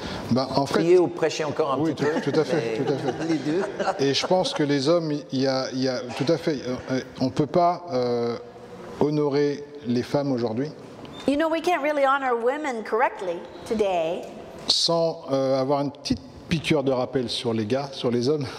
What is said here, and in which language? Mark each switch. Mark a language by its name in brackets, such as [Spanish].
[French] Ben, en prier fait, ou prêcher encore un oui, petit peu. Oui, tout à fait, tout à fait. Les deux. Et je pense que les hommes, il y a tout à fait, on peut pas honorer les femmes aujourd'hui. [English] You know, we can't really honor women correctly today. [French] Sans avoir une petite piqûre de rappel sur les gars, sur les hommes.